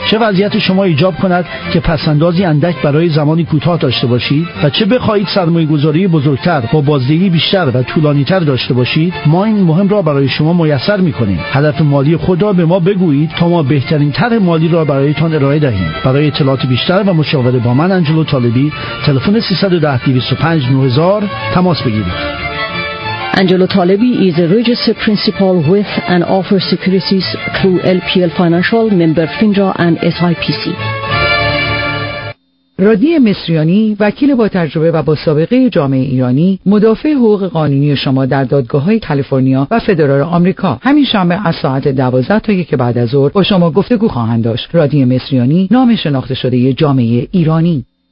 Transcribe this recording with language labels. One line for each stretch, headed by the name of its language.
Persian: چه وضعیت شما ایجاب کند که پس‌اندازی اندک برای زمانی کوتاه داشته باشید؟ و چه بخواهید سرمایه گذاری بزرگتر با بازدهی بیشتر و طولانی تر داشته باشید، ما این مهم را برای شما میسر میکنیم. هدف مالی خود را به ما بگویید تا ما بهترین طرح مالی را برایتان ارائه دهیم. برای اطلاعات بیشتر و مشاوره با من آنجلو طالبی، تلفن 310-205-9000 تماس بگیرید.
English: Angelo Talebi is a registered principal with and offers securities through LPL Financial, member FINRA and SIPC.
Persian: رادی مصریانی، وکیل با تجربه و با سابقه جامعه ایرانی، مدافع حقوق قانونی شما در دادگاه‌های کالیفرنیا و فدرال آمریکا. همین شنبه از ساعت 12 تا 1 بعد از ظهر با شما گفتگو خواهند داشت. رادی مصریانی، نام شناخته شده جامعه ایرانی.